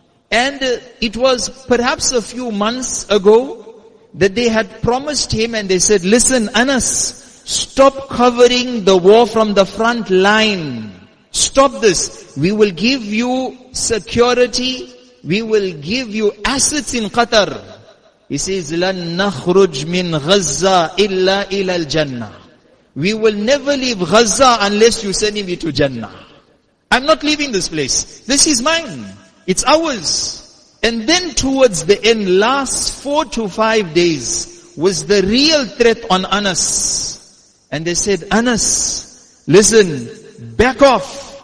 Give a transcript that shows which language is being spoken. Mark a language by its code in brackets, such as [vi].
[en] And it was perhaps a few months ago that they had promised him and they said, listen, Anas, stop covering the war from the front line. Stop this. We will give you security. We will give you assets in Qatar. He says, [ar] لَن نَخْرُجْ مِنْ غَزَّةِ إِلَّا إِلَى الْجَنَّةِ. [en] We will never leave Gaza unless you send me to Jannah. I'm not leaving this place. This is mine. It's ours. And then towards the end, last 4 to 5 days, was the real threat on Anas. And they said, Anas, listen, back off.